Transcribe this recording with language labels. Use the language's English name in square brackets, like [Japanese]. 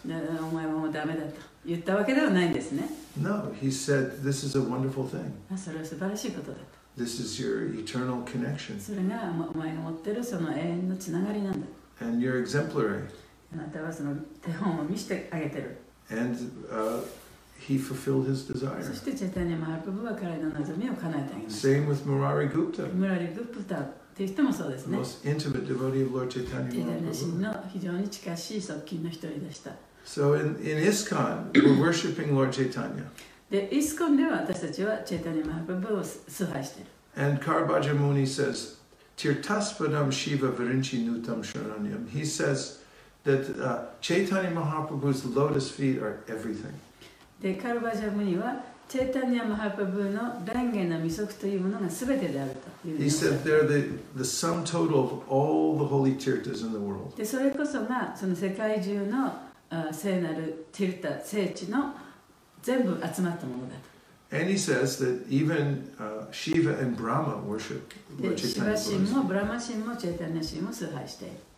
[Japanese] お前はもうダメだと言ったわけではないんですね。 [English] No, he said, this is a wonderful thing. [Japanese] それは素晴らしいことだと。 [English] This is your eternal connection. [Japanese] それがお前が持ってるその永遠のつながりなんだ。 [English] And you're exemplary. [Japanese] あなたはその手本を見せてあげてる。 [English] And, he fulfilled his desire. [Japanese] そしてチェタニアマハプブは彼の望みを叶えてあげました [English] 。 Same with Murari Gupta. [Japanese] Murari Gupta という人もそうですね。 [English] The most intimate devotee of Lord Chaitanya Mahaprabhu. [Japanese] チェタニア氏の非常に近しい側近の一人でした。 [English] So in ISKCON, we're worshipping Lord Chaitanya. [Japanese] で、イスコンでは私たちはチェタニアマハプブを崇拝してる。 [English] And Karbhaja Muni says, [Sanskrit] Tirthaspadam Shiva Virinchi Nutam Sharanyam. [English] He says,that Chaitanya Mahaprabhu's lotus feet are everything. [Japanese] で、カルバジャムニは、チェイタニア・マハプブの蓮華の御足というものが全てであるというふうに。 [English] He said they're the sum total of all the holy tirthas in the world. [Japanese] で、それこそがその世界中の聖なるティルタ、聖地の全部集まったものだと。 [English] And he says that even Shiva and Brahma worship [Japanese] Lord Chaitanya. で、シヴァ神もブラマ神もチェイタニア神も崇拝している。